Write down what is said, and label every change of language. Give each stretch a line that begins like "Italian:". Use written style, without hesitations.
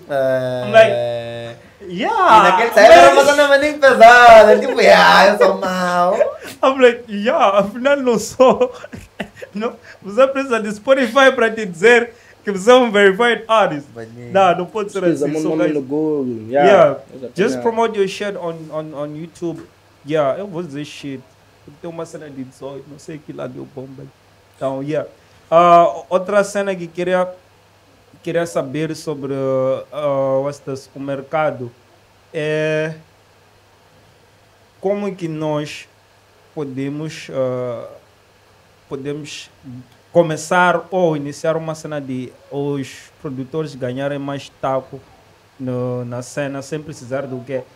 English: I'm like, yeah.
Portuguese: E naquele tempo, era uma cena nem pesada, tipo, yeah, eu sou mau.
English: I'm like, yeah,
Portuguese: afinal, não sou. Não, você precisa de Spotify para te dizer que você é um verified artist. Não pode ser assim. Só
English: guys,
Portuguese: no Google. Yeah.
English: Just promote your shit on YouTube. Yeah, it was this shit.
Portuguese: Porque tem uma cena de 18, não sei que lá deu bomba. Então, yeah. Outra cena que queria saber sobre o mercado é como que nós podemos começar ou iniciar uma cena de os produtores ganharem mais taco no, na cena sem precisar do quê?